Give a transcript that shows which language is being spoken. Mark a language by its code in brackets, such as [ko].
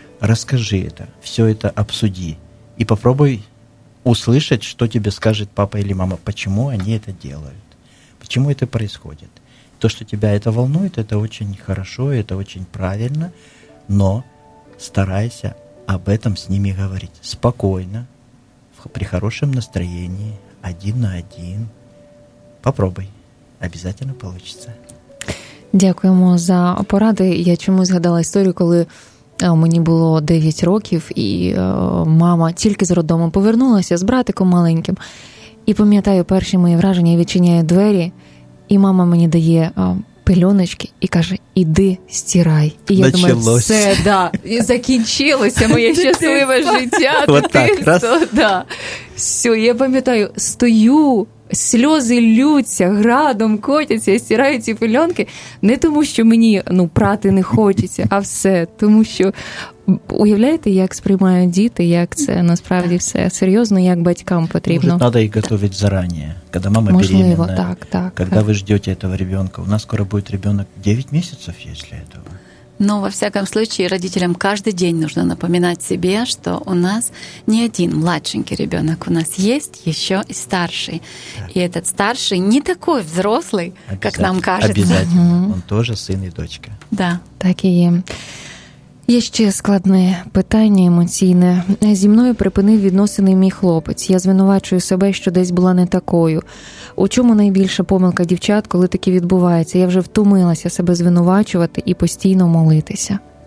[ru] Расскажи это, все это обсуди и попробуй услышать, что тебе скажет папа или мама, почему они это делают, почему это происходит. То, что тебя это волнует, это очень хорошо, это очень правильно, но старайся об этом с ними говорить спокойно, при хорошем настроении, один на один. [uk] Попробуй, обов'язково вийде. Дякуємо за поради. Я чомусь згадала історію, коли мені було 9 років, і мама тільки з роддому повернулася з братиком маленьким. І пам'ятаю перші мої враження, я відчиняю двері, і мама мені дає пеленочки і каже: «Іди, стирай». І я [ru] Началось. Думаю, все, да, [uk] і закінчилося моє щасливе життя. [ru] Вот так, раз. Да. [uk] Все, я пам'ятаю, стою, сльози лються, градом котяться, я стираю ці пеленки. Не тому, що мені прати не хочеться, а все. Тому що, уявляєте, як сприймають діти, як це насправді все серйозно, як батькам потрібно. Може, треба їх готувати зарані, коли мама беременна. Так, так. Коли ви ждете цього ребенка. У нас скоро буде ребенок 9 місяців, якщо цього. [ru] Но, во всяком случае, родителям каждый день нужно напоминать себе, что у нас не один младшенький ребенок, у нас есть еще и старший. Так. И этот старший не такой взрослый, как нам кажется. Обязательно. Он тоже сын и дочка. Да. Так и есть. [uk] Есть ще складне питання емоційне. Зі мною припинив відносини мій хлопець. Я звинувачую себе, що десь була не такою. У чому найбільша помилка дівчат, коли таке відбувається? Я вже втомилася себе звинувачувати і постійно молитися.